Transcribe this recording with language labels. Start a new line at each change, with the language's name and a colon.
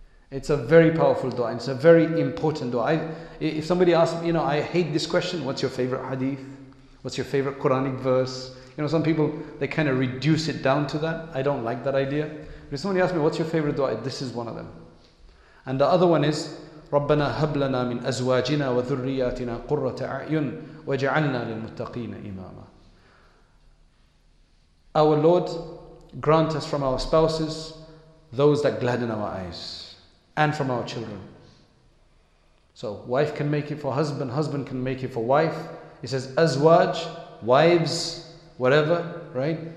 English: It's a very powerful dua. It's a very important dua. If somebody asks me, you know, I hate this question. What's your favorite hadith? What's your favorite Quranic verse? You know, some people, they kind of reduce it down to that. I don't like that idea. But if somebody asks me, what's your favorite dua? This is one of them. And the other one is,
Arabic: رَبَّنَا هَبْلَنَا مِنْ أَزْوَاجِنَا وَذُرِّيَاتِنَا قُرَّةَ أَعْيُنْ وَجَعَلْنَا لِلْمُتَّقِينَ إِمَامًا.
English: Our Lord, grant us from our spouses those that gladden our eyes, and from our children. So wife can make it for husband, husband can make it for wife. He says azwaj, wives, whatever, right?